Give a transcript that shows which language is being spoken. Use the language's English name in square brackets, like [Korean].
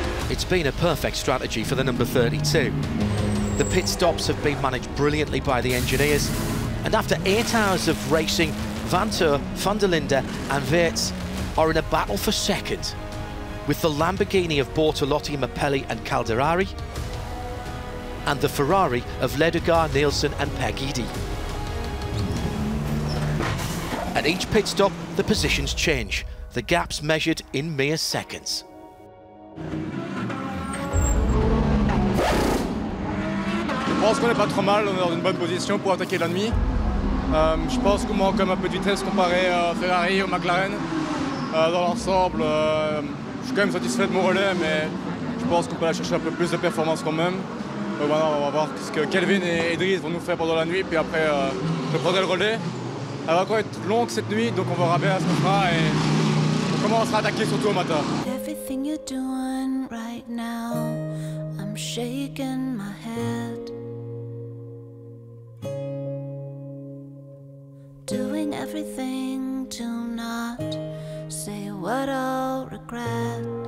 [English] It's been a perfect strategy for the number 32. The pit stops have been managed brilliantly by the engineers, and after 8 hours of racing, Vanthoor, van der Linde and Wirtz are in a battle for second, with the Lamborghini of Bortolotti, Mapelli and Calderari, and the Ferrari of Ledegaard, Nielsen and Pergidi. At each pit stop, the positions change, the gaps measured in mere seconds. [French] Je pense qu'on est pas trop mal, on est dans une bonne position pour attaquer l'ennemi. Je pense qu'on manque un peu de vitesse comparé à Ferrari ou McLaren. Dans l'ensemble, je suis quand même satisfait de mon relais, mais je pense qu'on peut aller chercher un peu plus de performance quand même. Maintenant, on va voir ce que Kelvin et Idriss vont nous faire pendant la nuit, puis après, je prendrai le relais. Elle va encore être longue cette nuit, donc on verra bien ce qu'on fera et on commencera à attaquer surtout au matin. [English] Everything you're doing right now, I'm shaking my head. Doing everything to not say what I'll regret.